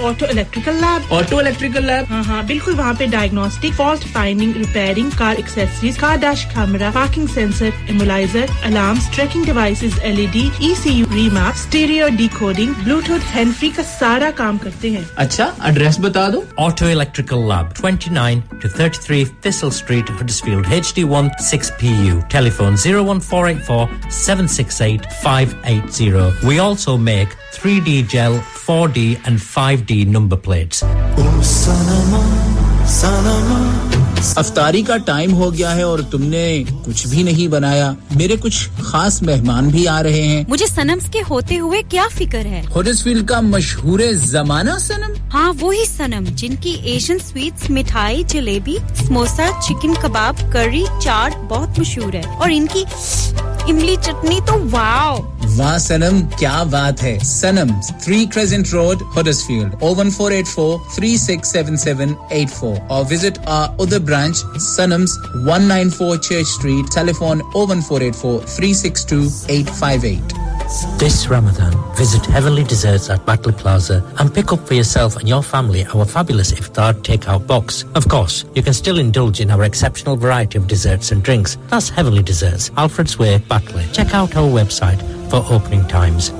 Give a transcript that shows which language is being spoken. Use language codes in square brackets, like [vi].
[en] auto electrical lab [hi] हां बिल्कुल वहां पे diagnostic fault finding repairing car accessories car dash camera parking sensor immobiliser alarms trekking devices LED ECU remap stereo decoding Bluetooth hands-free का सारा काम करते हैं अच्छा एड्रेस बता दो [en] Auto electrical lab 29 to 33 Thistle Street Huddersfield HD1 6PU telephone 01484-768-580 We also make 3D gel, 4D and 5D number plates. Oh, sanama, sanama. [hi] अफ्तारी का time हो गया है और तुमने कुछ भी नहीं बनाया मेरे कुछ खास मेहमान भी आ रहे हैं मुझे सनम्स के होते हुए क्या फिक्र है हडर्सफील्ड का मशहूर जमाना सनम हां वही सनम जिनकी एशियन स्वीट्स मिठाई जलेबी समोसा चिकन कबाब करी चाट बहुत मशहूर है और इनकी इमली चटनी तो वाओ वाह सनम क्या बात है सनम्स 3 क्रेसेंट रोड हडर्सफील्ड 01484-367784 और [en] visit our The branch [hi] Sunnams 194 Church Street, telephone 01484 362 858. [en] This Ramadan, visit Heavenly Desserts at Butler Plaza and pick up for yourself and your family our fabulous iftar takeout box. Of course, you can still indulge in our exceptional variety of desserts and drinks. That's Heavenly Desserts, Alfred's Way, Butler. Check out our website for opening times.